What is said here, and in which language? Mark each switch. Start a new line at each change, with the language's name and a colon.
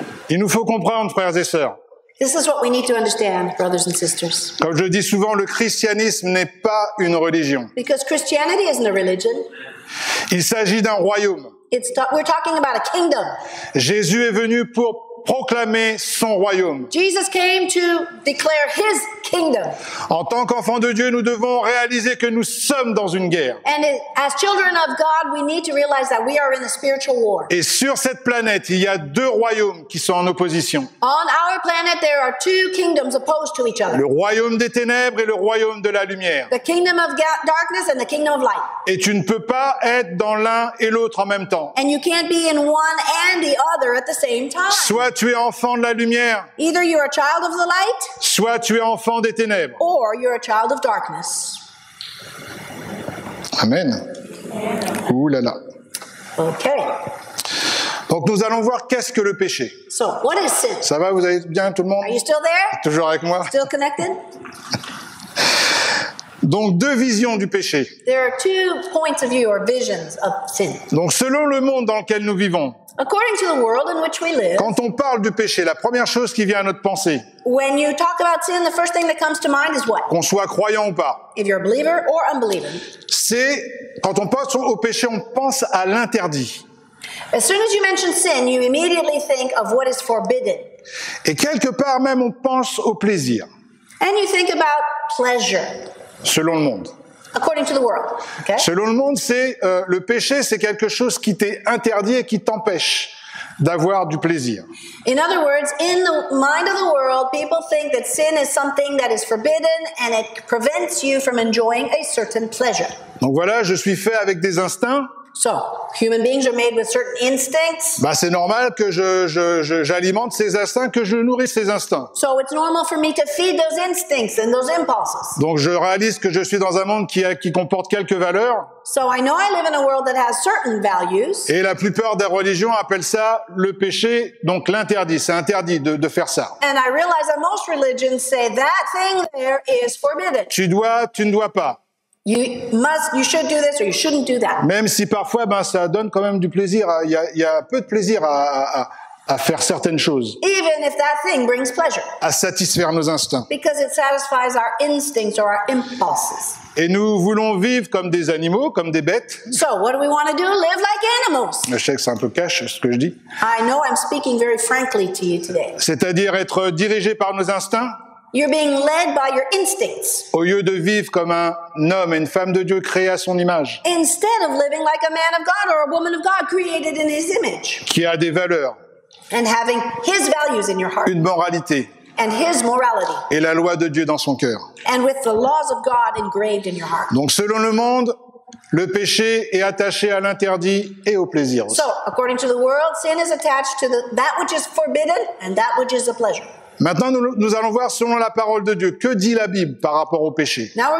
French: Il nous faut comprendre, frères et sœurs.
English: This is what we need to understand, brothers and sisters.
French: Comme je dis souvent, le christianisme n'est pas une religion.
English: Because Christianity isn't a religion.
French: Il s'agit d'un royaume.
English: We're talking about a kingdom.
French: Jésus est venu pour proclamer son royaume.
English: Jesus came to declare his kingdom.
French: En tant qu'enfant de Dieu, nous devons réaliser que nous sommes dans une guerre.
English: And as children of God, we need to realize that we are in a spiritual war.
French: Et sur cette planète, il y a deux royaumes qui sont en opposition.
English: On our planet, there are two kingdoms opposed to each other.
French: Le royaume des ténèbres et le royaume de la lumière.
English: The kingdom of darkness and the kingdom of light.
French: Et tu ne peux pas être dans l'un et l'autre en même temps.
English: And you can't be in one and the other at the same time.
French: Soit tu es enfant de la lumière.
English: Either you are a child of the light,
French: soit tu es enfant des ténèbres.
English: Or you are a child of darkness.
French: Amen. Ouh là là.
English: Okay.
French: Donc nous allons voir qu'est-ce que le péché.
English: So, what is sin?
French: Ça va, vous allez bien tout le monde?
English: Are you still there?
French: Toujours avec moi?
English: Still connected?
French: Donc deux visions du péché.
English: There are two points of view or visions of sin.
French: Donc selon le monde dans lequel nous vivons.
English: According to the world in which we live.
French: Quand on parle du péché, la première chose qui vient à notre pensée.
English: When you talk about sin, the first thing that comes to mind is what?
French: Qu'on soit croyant ou pas.
English: If you're a believer or unbeliever.
French: C'est quand on pense au péché, on pense à l'interdit.
English: As soon as you mention sin, you immediately think of what is forbidden.
French: Et quelque part même on pense au plaisir.
English: And you think about pleasure.
French: Selon le monde.
English: According to the world. Okay.
French: Selon le monde, c'est le péché, c'est quelque chose qui t'est interdit et qui t'empêche d'avoir du plaisir.
English: In other words, in the mind of the world, people think that sin is something that is forbidden and it prevents you from enjoying a certain pleasure.
French: Donc voilà, je suis fait avec des instincts.
English: So, human beings are made with certain instincts.
French: Bah, c'est normal que j'alimente ces instincts, que je nourrisse ces instincts.
English: So, it's normal for me to feed those instincts and those impulses.
French: Donc, je réalise que je suis dans un monde qui comporte quelques valeurs.
English: So, I know I live in a world that has certain values.
French: Et la plupart des religions appellent ça le péché, donc l'interdit. C'est interdit de faire ça.
English: And I realize that most religions say that thing there is forbidden.
French: Tu ne dois pas.
English: You should do this or you shouldn't do that.
French: Même si parfois, ben, ça donne quand même du plaisir. Il y a peu de plaisir à faire certaines choses.
English: Even if that thing brings pleasure.
French: À satisfaire nos instincts.
English: Because it satisfies our instincts or our impulses.
French: Et nous voulons vivre comme des animaux, comme des bêtes.
English: So what do we want to do? Live like animals.
French: Je sais que c'est un peu cash ce que je dis.
English: I know I'm speaking very frankly to you today.
French: C'est-à-dire être dirigé par nos instincts.
English: You're being led by your instincts.
French: Au lieu de vivre comme un homme et une femme de Dieu créés à son image.
English: Instead of living like a man of God or a woman of God created in his image.
French: Qui a des valeurs.
English: And having his values in your heart.
French: Une moralité.
English: And his morality.
French: Et la loi de Dieu dans son cœur.
English: And with the laws of God engraved in your heart.
French: Donc selon le monde, le péché est attaché à l'interdit et au plaisir.
English: So, according to the world, sin is attached to that which is forbidden and that which is a pleasure.
French: Maintenant, nous allons voir selon la parole de Dieu. Que dit la Bible par rapport au péché?